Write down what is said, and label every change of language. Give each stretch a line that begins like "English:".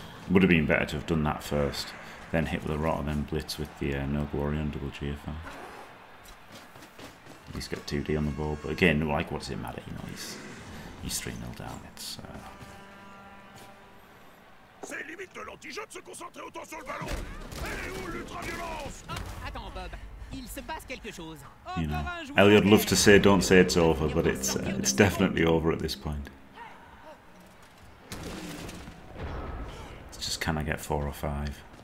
English: Would have been better to have done that first, then hit with the Rotter, then blitz with the Nurgle Warrior on double GFI. He's got 2D on the ball, but again, like, what does it matter? You know, he's 3-0 down. It's
French: C'est limite de l'anti-jeu de se concentrer autant sur le ballon. Elle est où l'ultra-violence? Oh, attends, Bob. Il se passe quelque chose.
English: You know, Elliot loves to say, "Don't say it's over," but it's definitely over at this point. It's just, can I get 4 or 5?